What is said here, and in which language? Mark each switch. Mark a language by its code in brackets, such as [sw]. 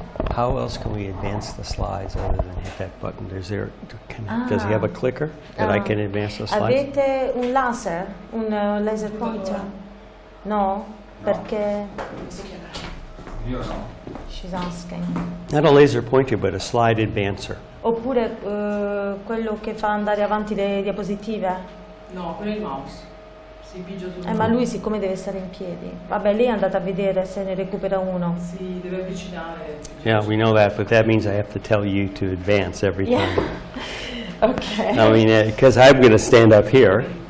[en] How else can we advance the slides other than hit that button? Does he have a clicker that I can advance the slides? [it] Avete un laser? Un laser pointer? No? No. Perché? Io no. [en] She's asking. Not a laser pointer, but a slide advancer. [it] Oppure quello che fa andare avanti le diapositive? No, con il mouse. Ma lui siccome deve stare in piedi. Vabbè, lei è andata a vedere se ne recupera uno. Sì, deve avvicinare. [en] Yeah, we know that, but that means I have to tell you to advance every time. Okay. I mean, because I'm going to stand up here.